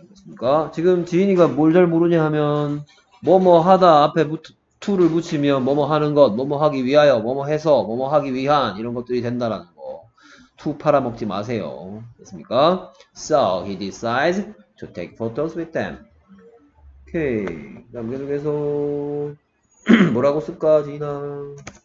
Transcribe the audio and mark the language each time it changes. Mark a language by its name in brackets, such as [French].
[Korean] 그러니까 지금 지인이가 뭘 잘 모르냐 하면 뭐뭐 하다 앞에 to를 붙이면 뭐뭐 하는 것, 뭐뭐 하기 위하여, 뭐뭐 해서, 뭐뭐 하기 위한 이런 것들이 된다라는 거. to 팔아먹지 마세요. 됐습니까? [English] So he decides to take photos with them. Okay. [Korean] 그다음 계속해서 뭐라고 쓸까 지인아?